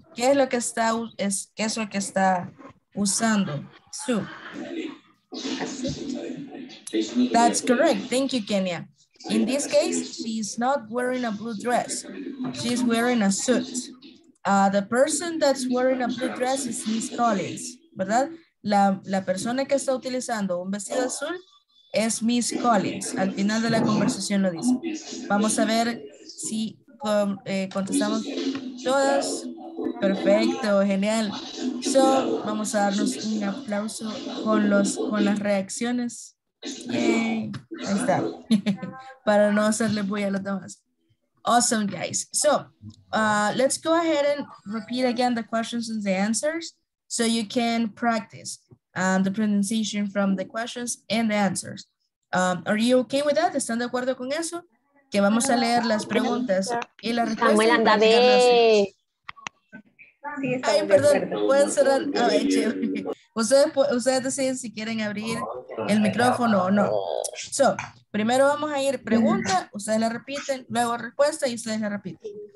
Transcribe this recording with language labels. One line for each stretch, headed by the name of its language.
Spanish: ¿Qué es lo que está, qué es lo que está usando Sue?
English: That's correct. Thank you, Kenya. In this case, she's not wearing a blue dress. She's wearing a suit. The person that's wearing a blue dress is Miss Collins, ¿verdad?
Spanish: La persona que está utilizando un vestido azul es Miss Collins. Al final de la conversación lo dice. Vamos a ver si contestamos todas. Perfecto, genial. So, vamos a darnos un aplauso con las reacciones. Yay. Ahí está. Para no hacerle bulla a los demás.
English: Awesome, guys. So, let's go ahead and repeat again the questions and the answers so you can practice the pronunciation from the questions and the answers. Are you okay with that?
Spanish: ¿Están de acuerdo con eso? Que vamos a leer las preguntas y las respuestas. Samuel, anda, ve. Ay, perdón, pueden cerrar. Oh, ustedes deciden si quieren abrir el micrófono o no. So, primero vamos a ir pregunta, ustedes la repiten, luego respuesta y ustedes la repiten.